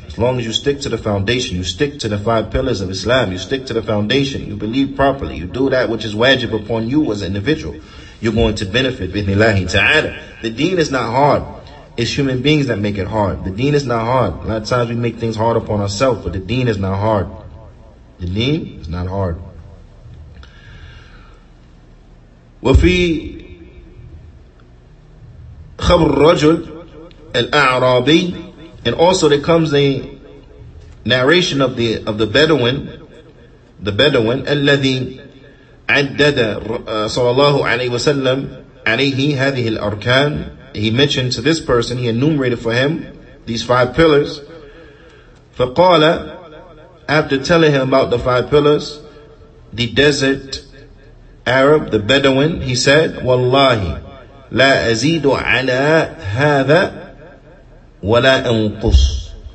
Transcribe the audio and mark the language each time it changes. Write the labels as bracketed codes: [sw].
[en] As long as you stick to the foundation, you stick to the five pillars of Islam, you stick to the foundation, you believe properly, you do that which is wajib upon you as an individual, you're going to benefit bi idhnillahi ta'ala. The deen is not hard. It's human beings that make it hard. The deen is not hard. A lot of times we make things hard upon ourselves, but the deen is not hard. The deen is not hard. [ar] وفي خبر الرجل الأعرابي, [en] and also there comes a narration of the Bedouin, [ar] the Bedouin الذي عدد صلى الله عليه وسلم عليه هذه الأركان. [en] He mentioned to this person, he enumerated for him these five pillars. فقال, after telling him about the five pillars, the desert Arab, the Bedouin, he said, Wallahi, [ar] لا أزيد على هذا ولا أنقص.